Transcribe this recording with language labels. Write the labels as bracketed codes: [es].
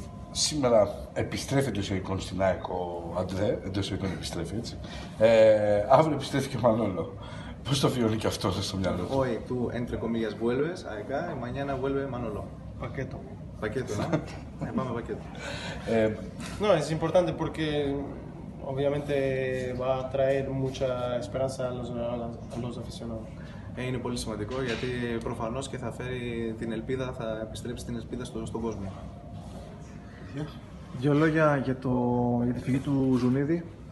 [el] Σήμερα επιστρέφει εντός εικόνων στην ΑΕΚ ο Αντρέ, εντός εικόνων επιστρέφει έτσι. Αύριο επιστρέφει και ο Μανόλο. Πώς το βιώνει και αυτό στο μυαλό του. [es] Hoy tú, entre comillas, vuelves a ΑΕΚ, mañana vuelve Manolo. [el] Πακέτο. Πακέτο, ναι. Πάμε πακέτο. [es] No, es importante porque obviamente va a traer mucha esperanza a los aficionados. [el] Είναι πολύ σημαντικό γιατί προφανώς και θα φέρει την ελπίδα, θα επιστρέψει την ελπίδα στον κόσμο. Δύο λόγια για τη φυγή του Ζουνίδη.